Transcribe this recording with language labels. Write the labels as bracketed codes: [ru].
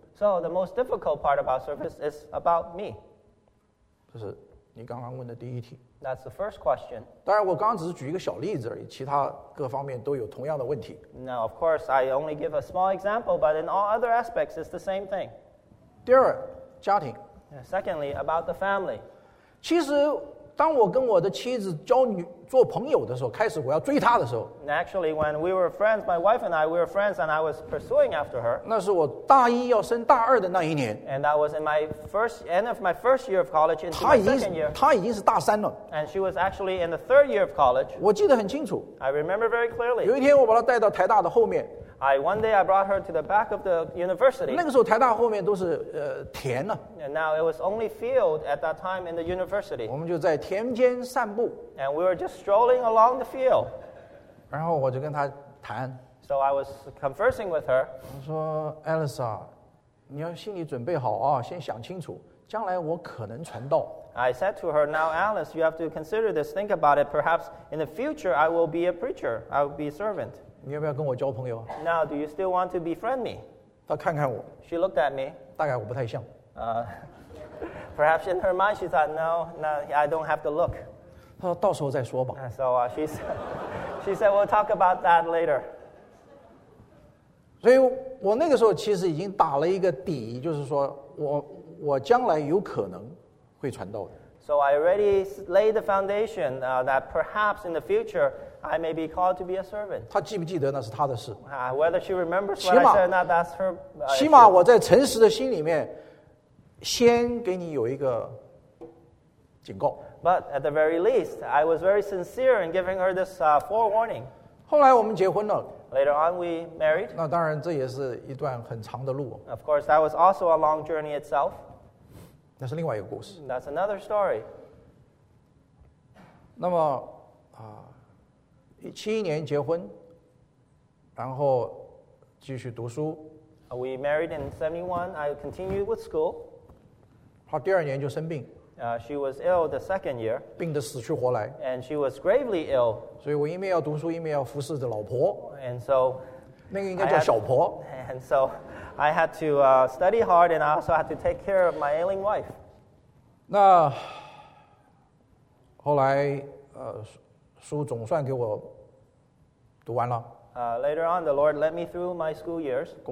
[en] So the most difficult part about service is about me. [zh] 这是你刚刚问的第一题。 [en] That's the first question. [zh] 当然，我刚刚只是举一个小例子而已，其他各方面都有同样的问题。 [en] Now, of course, I only give a small example, but in all other aspects, it's the same thing. [zh] 第二，家庭。 [en] Secondly, about the family. [zh] 其实，当我跟我的妻子交女做朋友的时候，开始我要追她的时候。 [en] Actually, when we were friends, my wife and I, we were friends, and I was pursuing after her. [zh] 那是我大一要升大二的那一年。 [en] And that was in my end of my first year of college, into my second year. [zh] 她已经是大三了。 [en] And she was actually in the third year of college. [zh] 我记得很清楚。 [en] I remember very clearly. [zh] 有一天我把她带到台大的后面。 [en] One day I brought her to the back of the university. [zh] 那个时候台大后面都是田呢。 [en] And now it was only field at that time in the university. [zh] 我们就在田间散步。 [en] And we were just strolling along the field. [zh] 然后我就跟她谈。 [en] So I was conversing with her. [zh] 我说 ，Alice 啊，你要心里准备好啊，先想清楚，将来我可能传道。 [en] I said to her, now Alice, you have to consider this. Think about it. Perhaps in the future I will be a preacher. I will be a servant. [zh] 你要不要跟我交朋友啊 [en] ？Now, do you still want to befriend me? [zh] 她看看我。 [en] She looked at me. [zh] 大概我不太像。 [en] Perhaps in her mind, she thought, "No, no, I don't have the look." [zh] 她说到时候再说吧。 [en] So she said, "We'll talk about that later." [zh] 所以我那个时候其实已经打了一个底，就是说我将来有可能会传道的。 [en] So I already laid the foundation that perhaps in the future. I may be called to be a servant. [zh] 她记不记得那是她的事。 [en] Whether she remembers what I said or not, that's her. [zh] 起码我在诚实的心里面，先给你有一个警告。 [en] But at the very least, I was very sincere in giving her this forewarning. [zh] 后来我们结婚了。 [en] Later on, we married. [zh] 那当然，这也是一段很长的路。 [en] Of course, that was also a long journey itself. [zh] 那是另外一个故事。 [en] That's another story. [zh] 那么，2017年结婚，然后继续读书， [en] We married in 71. I continued with school. [zh] 她第二年就生病。 [en] She was ill the second year. [zh] 病得死去活来。 [en] And she was gravely ill. [zh] 所以我一面要读书，一面要服侍的老婆。 [en] And so, [zh] 那个应该叫小婆。 [en] And so, I had to study hard, and I also had to take care of my ailing wife. [zh] 那后来，书总算给我读完了。 [en] Later on, the Lord led me through my school years.